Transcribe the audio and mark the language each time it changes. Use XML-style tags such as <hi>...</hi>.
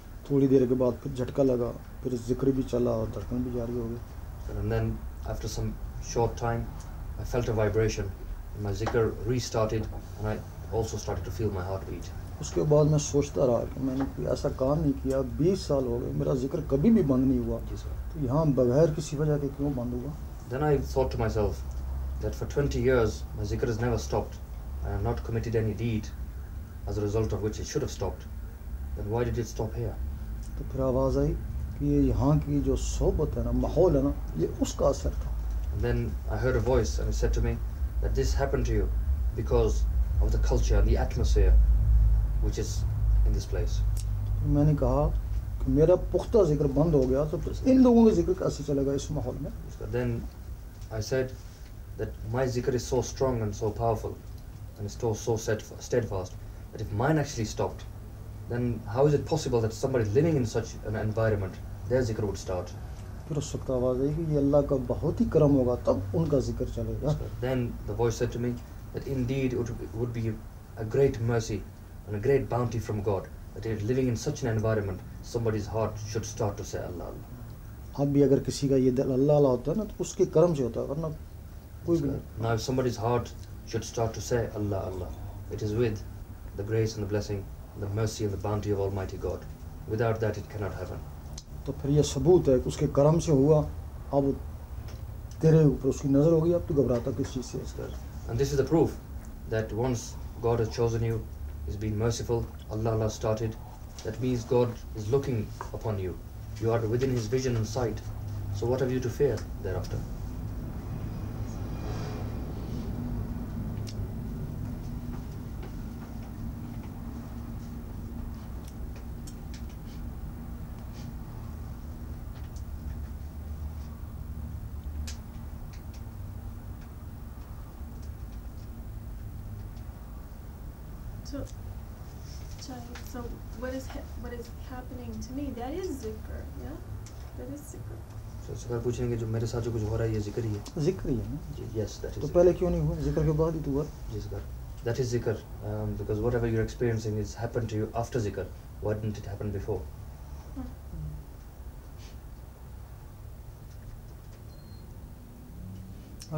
<hi>थोड़ी देर के बाद फिर झटका लगा, फिर जिक्र भी चला और धड़कन भी जारी हो गई.</hi> <en>And then after some short time, I felt a vibration. My zikr restarted, and I also started to feel my heartbeat.</en> <hi>उसके बाद मैं सोचता रहा कि मैंने कोई ऐसा काम नहीं किया, 20 साल हो गए, मेरा जिक्र कभी भी बंद नहीं हुआ. जी सर. तो यहाँ बगैर किसी वजह के क्यों बंद हुआ?</hi> <en>Then I thought to myself that for 20 years my zikr has never stopped, and I have not committed any deed as a result of which it should have stopped. Then why did it stop here?</en> <hi>तो फिर आवाज़ आई कि ये यहाँ की जो सोबत है ना, माहौल है ना, ये उसका असर था.</hi> <en>And then I heard a voice and it said to me that this happened to you because of the culture and the atmosphere which is in this place.</en> <hi>मैंने कहा कि मेरा पुख्ता जिक्र बंद हो गया, तो इन लोगों का जिक्र कैसे चलेगा इस माहौल में?</hi> <en>Then I said that my zikr is so strong and so powerful and is so steadfast that if mine actually stopped, then how is it possible that somebody living in such an environment, their zikr would start?</en> <hi>फिर उस वक्त आवाज़ आई कि ये अल्लाह का बहुत ही करम होगा, तब उनका जिक्र चलेगा.</hi> <en>Then the voice said to me that indeed it would be a great mercy and a great bounty from God that if living in such an environment, somebody's heart should start to say Allah Allah.</en> <hi>अब भी अगर किसी का ये दिल अल्लाह अल्लाह होता है ना, तो उसके कर्म से होता है, वरना कोई भी नहीं.</hi> <en>Now if somebody's heart should start to say Allah Allah, it is with the grace and the blessing, the mercy and the bounty of Almighty God. Without that, it cannot happen.</en> <hi>तो फिर ये सबूत है कि उसके कर्म से हुआ, अब तेरे ऊपर उसकी नजर होगी, अब तू घबराता किस चीज से?</hi> <en>And this is the proof that once God has chosen you, He's been merciful, Allah Allah started, that means God is looking upon you. You are within His vision and sight, so what have you to fear thereafter? So what is happening to me? That is zikr, yeah? That is zikr.</en> <hi>Sir पूछेंगे जो मेरे साथ जो कुछ हो रहा है ये जिक्र ही है जिक्र ही है ना</hi> <en>जी yes that is</en> <hi>तो पहले क्यों नहीं हुआ जिक्र के बाद ही तो हुआ</hi> <en>जिक्र that is जिक्र because whatever you are experiencing is happened to you after जिक्र why didn't it happen before</en>